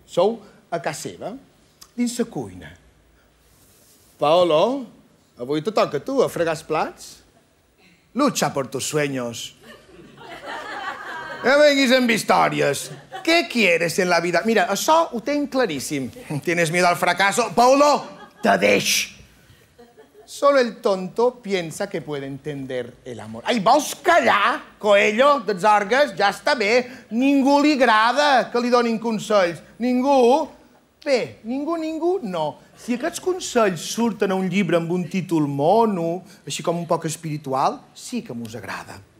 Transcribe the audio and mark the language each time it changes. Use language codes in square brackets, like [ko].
[ca] Sou a casa seva, dins sa cuina. Paolo, avui te toca tu, a fregar els plats. [es] Lucha por tus sueños. [ca] Que venguis amb històries. [es] ¿Qué quieres en la vida? [ca] Mira, això ho tenc claríssim. [es] ¿Tienes miedo al fracaso? Paolo, [ca] te deix. [es] Solo el tonto piensa que puede entender el amor. [ca] Ai, vols callar, Coelho, dels orgues? Ja està bé. Ningú li agrada que li donin consells. Ningú? Bé, ningú, no. Si aquests consells surten a un llibre amb un títol mono, així com un poc espiritual, sí que mos agrada.